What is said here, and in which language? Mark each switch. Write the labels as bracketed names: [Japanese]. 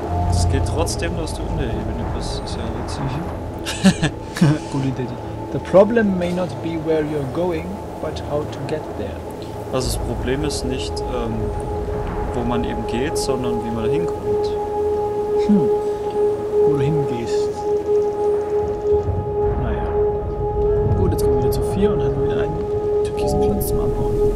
[German] Es geht trotzdem, dass du in der Ebene bist. Das ist ja jetzt nicht. Gute Idee. [English] The problem may not be where you're going, but how to get there. [German] Also das Problem ist nicht, wo man eben geht, sondern wie man da hinkommt. Wo du hingehst. Naja. Gut, jetzt kommen wir wieder zu 4 und haben wieder einen türkisen Platz zum Abbauen.